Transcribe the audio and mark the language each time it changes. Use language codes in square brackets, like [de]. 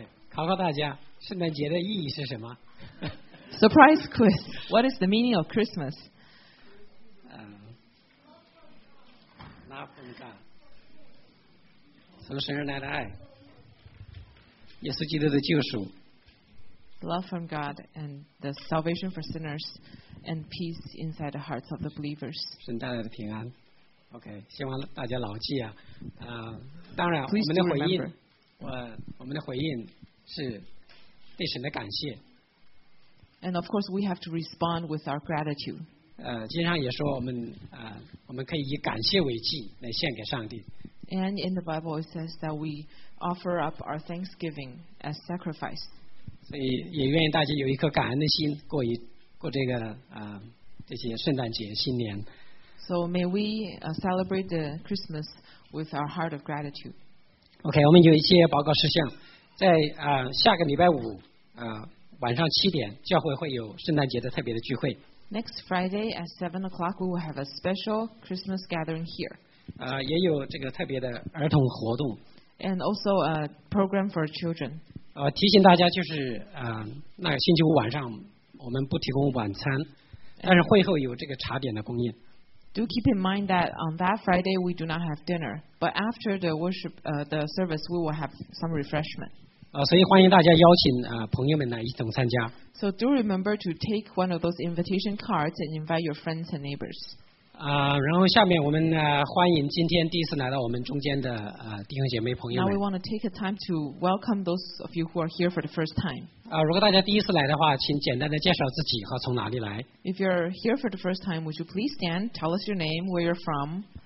[zh] 考考大家，圣诞节的意义是什么？ [en] Surprise quiz. What is the meaning of Christmas? Love from God. [zh] 从神而来的爱，耶稣基督的救赎。 [en] Love from God and the salvation for sinners and peace inside the hearts of the believers. [zh] 神带来的平安。OK， 希望大家牢记啊。当然，我们的回应，我们的回应。是对神的感谢。 [en] And of course, we have to respond with our gratitude. [zh] 经常也说我们可以以感谢为祭来献给上帝。 [en] And in the Bible, it says that we offer up our thanksgiving as sacrifice. [zh] 所以也愿意大家有一颗感恩的心，过这个这些圣诞节新年。 [en] So may we celebrate the Christmas with our heart of gratitude. [zh] Okay, 我们有一些报告事项。在下个礼拜五晚上七点，教会会有圣诞节的特别的聚会。 [en] Next Friday at 7 o'clock, we will have a special Christmas gathering here. [zh] 也有这个特别的儿童活动。 [en] And also a program for children. [zh] 提醒大家就是那个星期五晚上我们不提供晚餐，但是会后有这个茶点的供应。 [en] Do keep in mind that on that Friday we do not have dinner, but after the worship, the service, we will have some refreshment. [zh] 所以欢迎大家邀请朋友们来一同参加。 [en] So do remember to take one of those invitation cards and invite your friends and neighbors. [zh] 然后下面我们欢迎今天第一次来到我们中间的弟兄姐妹朋友们。 [en] Now we want to take a time to welcome those of you who are here for the first time. [zh] 如果大家第一次来的话，请简单的介绍自己和从哪里来。 [en] If you're here for the first time, would you please stand, tell us your name, where you're from?